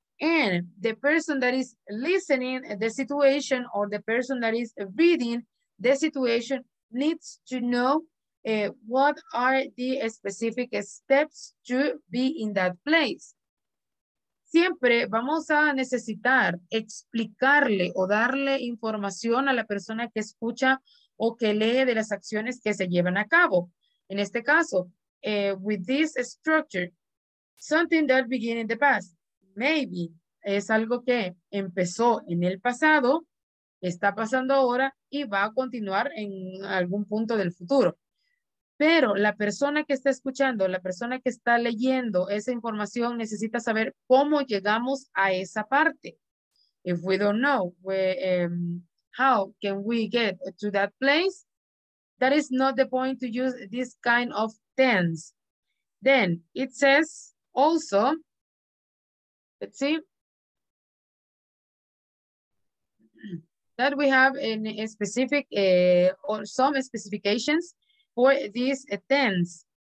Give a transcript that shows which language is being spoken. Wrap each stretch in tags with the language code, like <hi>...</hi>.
<en>And the person that is listening to the situation or the person that is reading the situation needs to know what are the specific steps to be in that place.</en> <es>Siempre vamos a necesitar explicarle o darle información a la persona que escucha o que lee de las acciones que se llevan a cabo. En este caso,</es> <en>with this structure, something that began in the past, maybe</en> <es>es algo que empezó en el pasado, está pasando ahora y va a continuar en algún punto del futuro. Pero la persona que está escuchando, la persona que está leyendo esa información necesita saber cómo llegamos a esa parte.</es> <en>If we don't know how can we get to that place, that is not the point to use this kind of tense. Then it says also, let's see, that we have in a specific or some specifications for this tense.</en>